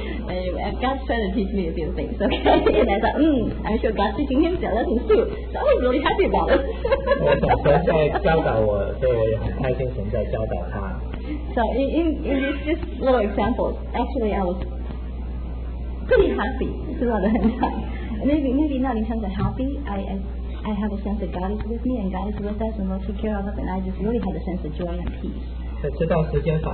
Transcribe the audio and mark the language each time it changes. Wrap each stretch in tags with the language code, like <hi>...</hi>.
<en>Anyway, God's trying to teach me a few things, okay? And I thought, I'm sure God's teaching him a lesson too. So I was really happy about it.</en> <zh>我总是在教导我，所以我也很开心神在教导他。</zh> <en>So in this just little example, actually I was pretty happy throughout the entire. Maybe not in terms of happy, I have a sense that God is with me and God is with us and will take care of us, and I just really had a sense of joy and peace.</en>